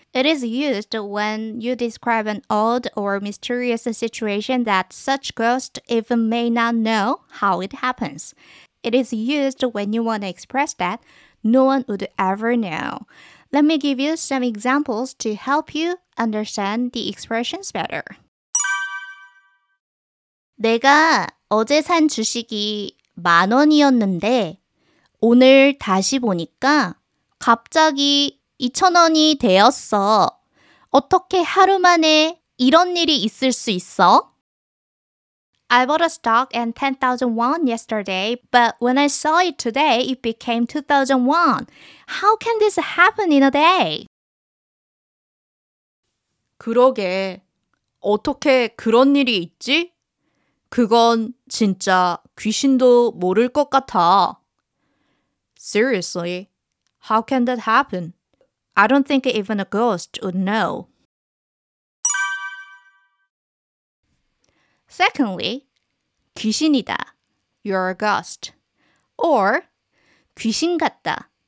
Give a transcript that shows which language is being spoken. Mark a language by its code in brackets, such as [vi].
[en] It is used when you describe an odd or mysterious situation that such ghosts even may not know how it happens. It is used when you want to express that no one would ever know. Let me give you some examples to help you understand the expressions better. [ko] 내가 어제 산 주식이 만 원이었는데 오늘 다시 보니까 갑자기 2,000원이 되었어. 어떻게 하루 만에 이런 일이 있을 수 있어? [en] I bought a stock and 10,000 won yesterday, but when I saw it today, it became 2,000 won. How can this happen in a day? [ko] 그러게, 어떻게 그런 일이 있지? 그건 진짜 귀신도 모를 것 같아. [en] Seriously, how can that happen? I don't think even a ghost would know. Secondly, [ko] 귀신이다. [en] You're a ghost. [ko] Or 귀신 같다.